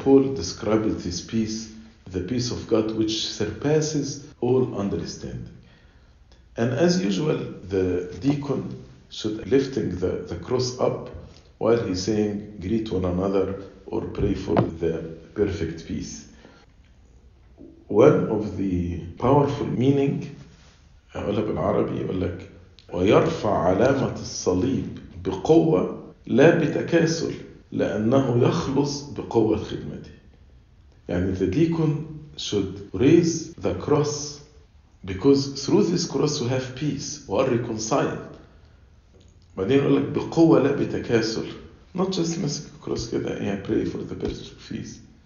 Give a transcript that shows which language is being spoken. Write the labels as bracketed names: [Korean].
[English] Paul described this peace, the peace of God, which surpasses all understanding. And as usual, the deacon should lifting the cross up while he's saying, greet one another or pray for the perfect peace. One of the powerful meaning, [Arabic] أقولها بالعربي, يقول لك ويرفع علامة الصليب بقوة لا بتكاسل لأنه يخلص بقوة خدمته. يعني [English] the deacon should raise the cross, because through this cross we have peace, we are reconciled. [Arabic] بعدين يقول لك بقوة لا بتكاسل, [English] not just [Arabic] مسك [English] cross [Arabic] كده [English] and yeah, pray for the perfect peace.